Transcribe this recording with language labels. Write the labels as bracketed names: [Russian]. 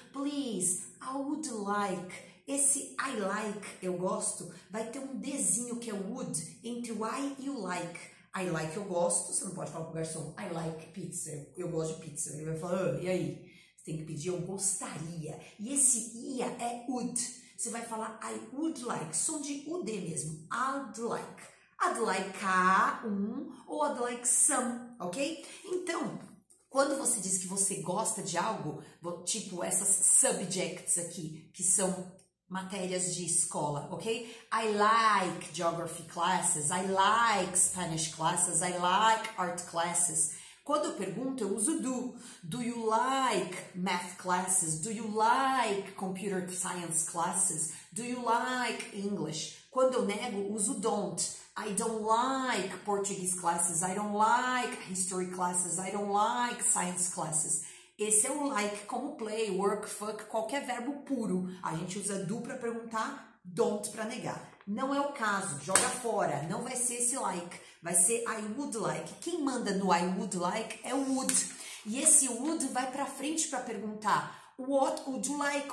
[English] Please, I would like. [Portuguese] Esse I like, eu gosto, vai ter um dzinho que é would entre o I e o like. I like, eu gosto. Você não pode falar pro garçom, [English] I like pizza. [Portuguese] Eu gosto de pizza. Ele vai falar, oh, e aí? Você tem que pedir, eu gostaria. E esse ia é would. Você vai falar, [English] I would like. [Portuguese] Som de UD mesmo. [English] I'd like. I'd like a um ou I'd like some, ok? [Portuguese] Então, quando você diz que você gosta de algo, tipo essas subjects aqui, que são matérias de escola, ok? [English] I like geography classes, I like Spanish classes, I like art classes. [Portuguese] Quando eu pergunto, eu uso do. [English] Do you like math classes? Do you like computer science classes? Do you like English? [Portuguese] Quando eu nego, uso [English] don't. I don't like Portuguese classes. I don't like history classes. I don't like science classes. [Portuguese] Esse é o like como play, work, fuck, qualquer verbo puro. A gente usa do para perguntar, don't para negar. Não é o caso, joga fora. Não vai ser esse like, vai ser [English] I would like. [Portuguese] Quem manda no [English] I would like [Portuguese] é o would. E esse would vai para frente para perguntar, [English] what would you like?